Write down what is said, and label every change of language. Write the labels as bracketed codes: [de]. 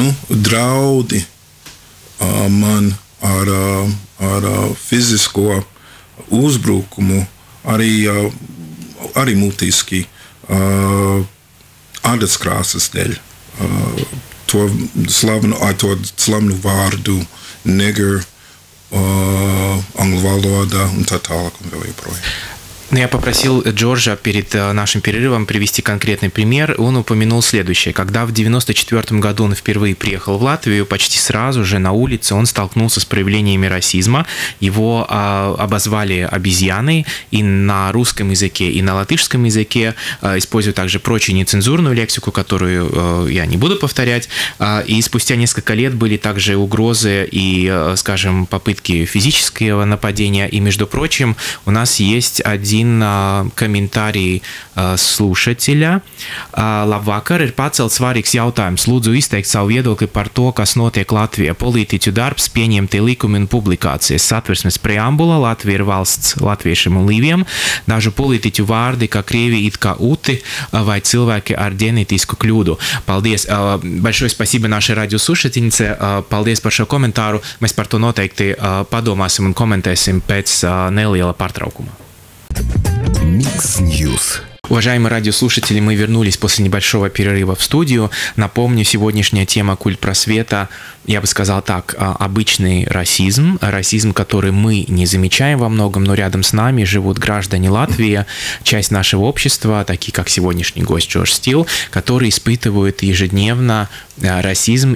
[lv] draudi man ar fizisko uzbrukumu arī mutiski ādas krāsas dēļ to slavnu, to slavnu vārdu nigger anglu valodā un tā tālāk un vēl joprojām. [ru] Но я попросил Джорджа перед нашим перерывом привести конкретный пример. Он упомянул следующее. Когда в 94 году он впервые приехал в Латвию, почти сразу же на улице он столкнулся с проявлениями расизма. Его обозвали обезьяной и на русском языке, и на латышском языке, используя также прочую нецензурную лексику, которую я не буду повторять. И спустя несколько лет были также угрозы и, скажем, попытки физического нападения. И, между прочим, у нас есть один комментарий слушателя. [lv] Labvakar, ir pacelt svarīgs jautājums. Lūdzu izteikt savu viedokli par to, kas notiek Latvijā. Politiķu darbs, pieņemtie likumi un publikācijas. Satversmes preambula, Latvija ir valsts latviešiem un līviem. Dažu politiķu vārdi, ka Krievi it kā uti vai cilvēki ar ģenetisku kļūdu. Paldies. [ru] Большое спасибо нашей радиослушательнице. [lv] Paldies par šo komentāru. Mēs par to noteikti padomāsim un komentēsim pēc neliela pārtraukuma. [en] Mix News. [ru] Уважаемые радиослушатели, мы вернулись после небольшого перерыва в студию. Напомню, сегодняшняя тема «Культ просвета», я бы сказал так, обычный расизм, расизм, который мы не замечаем во многом, но рядом с нами живут граждане Латвии, часть нашего общества, такие как сегодняшний гость Джордж Стил, которые испытывают ежедневно расизм.